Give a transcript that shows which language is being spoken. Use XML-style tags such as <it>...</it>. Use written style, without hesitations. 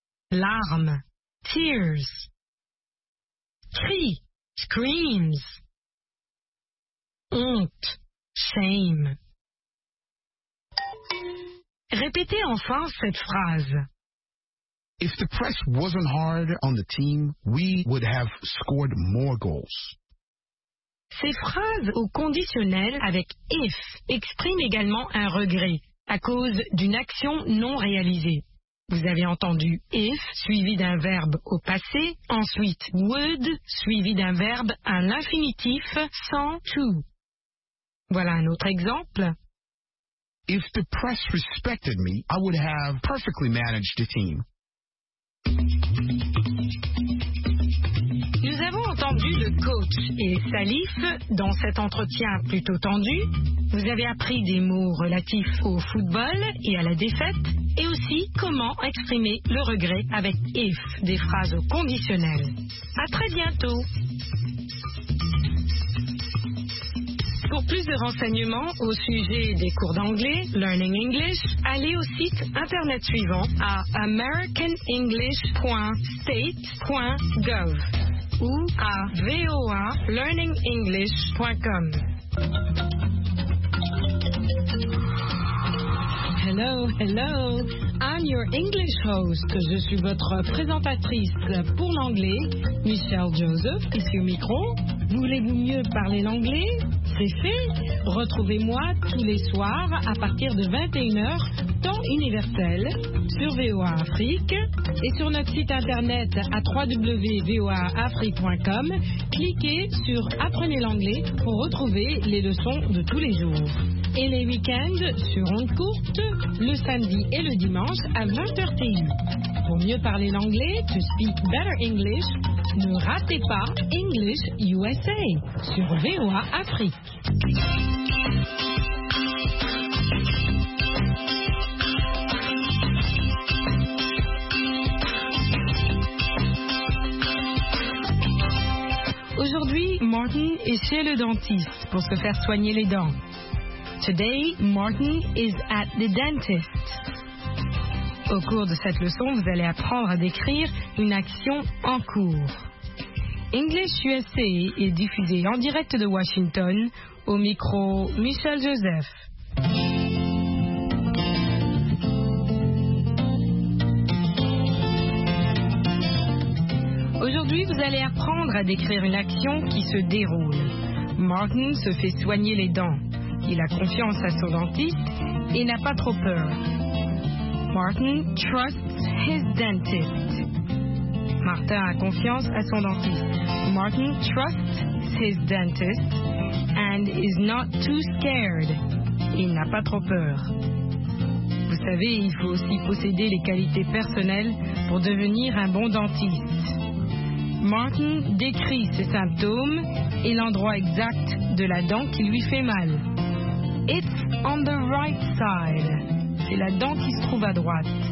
<fr>Larmes,</fr> <en>tears.</en> <fr>Cri,</fr> <en>screams.</en> <fr>Honte,</fr> <en>shame.</en> <fr>Répétez enfin cette phrase.</fr> <en>If the press wasn't hard on the team, we would have scored more goals.</en> <fr>Ces phrases au conditionnel avec if expriment également un regret à cause d'une action non réalisée. Vous avez entendu if suivi d'un verbe au passé, ensuite would suivi d'un verbe à l'infinitif sans to. Voilà un autre exemple.</fr> <en>If the press respected me, I would have perfectly managed the team.</en> <fr>Nous avons entendu le coach et Salif dans cet entretien plutôt tendu. Vous avez appris des mots relatifs au football et à la défaite, et aussi comment exprimer le regret avec if, des phrases au conditionnel. À très bientôt. Pour plus de renseignements au sujet des cours d'anglais, Learning English, allez au site internet suivant à americanenglish.state.gov ou à voalearningenglish.com.</fr> <en>Hello, hello, I'm your English host.</en> <fr>Je suis votre présentatrice pour l'anglais, Michelle Joseph, ici au micro. Voulez-vous mieux parler l'anglais? C'est fait. Retrouvez-moi tous les soirs à partir de 21h, temps universel, sur VOA Afrique et sur notre site internet à www.voaafrique.com. Cliquez sur Apprenez l'anglais pour retrouver les leçons de tous les jours. Et les week-ends sur Onde Courte, le samedi et le dimanche à 20h30. Pour mieux parler l'anglais,</fr> <en>to speak better English,</en> <fr>ne ratez pas English USA sur VOA Afrique. Aujourd'hui, Martin est chez le dentiste pour se faire soigner les dents.</fr> <en>Today, Martin is at the dentist.</en> <fr>Au cours de cette leçon, vous allez apprendre à décrire une action en cours. English USA est diffusé en direct de Washington au micro Michel Joseph. Aujourd'hui, vous allez apprendre à décrire une action qui se déroule. Martin se fait soigner les dents. Il a confiance à son dentiste et n'a pas trop peur.</fr> <en>Martin trusts his dentist.</en> <fr>Martin a confiance à son dentiste.</fr> <en>Martin trusts his dentist and is not too scared.</en> <fr>Il n'a pas trop peur. Vous savez, il faut aussi posséder les qualités personnelles pour devenir un bon dentiste. Martin décrit ses symptômes et l'endroit exact de la dent qui lui fait mal.</fr> <en>It's on the right side.</en> <fr>C'est la dent qui se trouve à droite.</fr>